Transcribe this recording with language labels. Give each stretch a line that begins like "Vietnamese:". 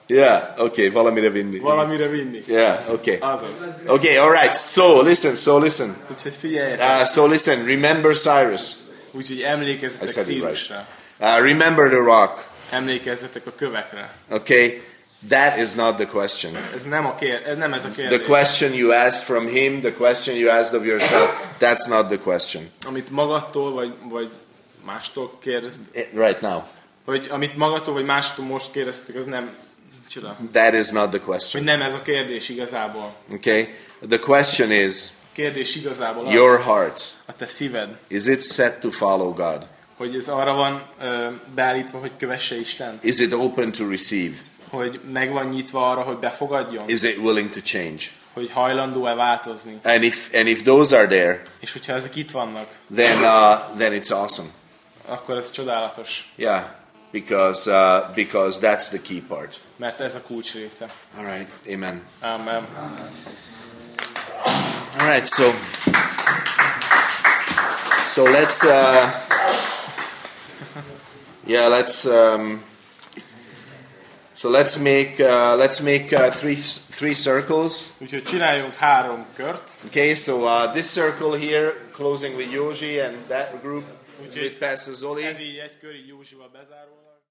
English: Yeah, okay,
Hungarian: valamire vinni. Valamire vinni.
English: Yeah, okay.
Hungarian: Azaz.
English: Okay, all right. So listen.
Hungarian: Úgyhogy figyelj.
English: So listen, remember Cyrus.
Hungarian: Úgyhogy emlékezzetek Cyrusra.
English: Remember the rock.
Hungarian: Emlékezzetek a kövekre.
English: Okay, that is not the question.
Hungarian: Ez nem ez a kérdés.
English: The question you asked from him, the question you asked of yourself, that's not the question.
Hungarian: Amit magadtól vagy mástól kérdezd.
English: Right now.
Hungarian: Hogy amit magadtól vagy mástól most kérdeztek, az nem csoda.
English: That is not the question.
Hungarian: Hogy nem ez a kérdés igazából.
English: Okay, the question is.
Hungarian: Kérdés igazából. Az,
English: your heart.
Hungarian: A te szíved.
English: Is it set to follow God?
Hungarian: Hogy ez arra van beállítva, hogy kövesse Istent.
English: Is it open to receive?
Hungarian: Hogy meg van nyitva arra, hogy befogadjon.
English: Is it willing to change?
Hungarian: Hogy hajlandó-e változni.
English: And if those are there,
Hungarian: és hogyha ezek itt vannak,
English: then it's awesome.
Hungarian: Akkor ez csodálatos.
English: Yeah, because that's the key part.
Hungarian: Mert ez a kulcs része.
English: All right, amen. Amen. All right, so let's... Yeah, let's make three circles.
Hungarian: Úgyhogy csináljunk három kört.
English: Okay, so this circle here closing with Józsi and that group is with Pastor Zoli.
Hungarian: Ez így egy kör, így Józsival bezárulnak.